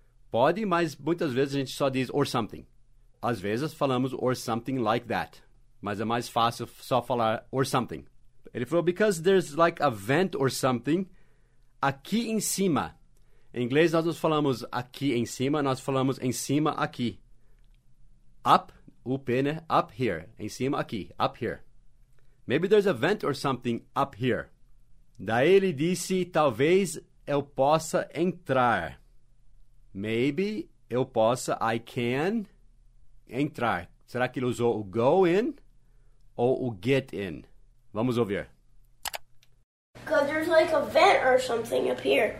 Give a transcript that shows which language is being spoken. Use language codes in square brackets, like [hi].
[pt] Pode, mas muitas vezes a gente só diz or something. Às vezes falamos or something like that, mas é mais fácil só falar or something. Ele falou, [en] because there's like a vent or something [pt] aqui em cima. Em inglês, nós não falamos aqui em cima, nós falamos em cima aqui. [en] Up, up, né? Up here. [pt] Em cima aqui. [en] Up here. Maybe there's a vent or something up here. [pt] Daí ele disse, talvez eu possa entrar. Maybe eu possa, I can, entrar. Será que ele usou o go in ou o get in? Vamos ouvir. [en] Because there's like a vent or something up here.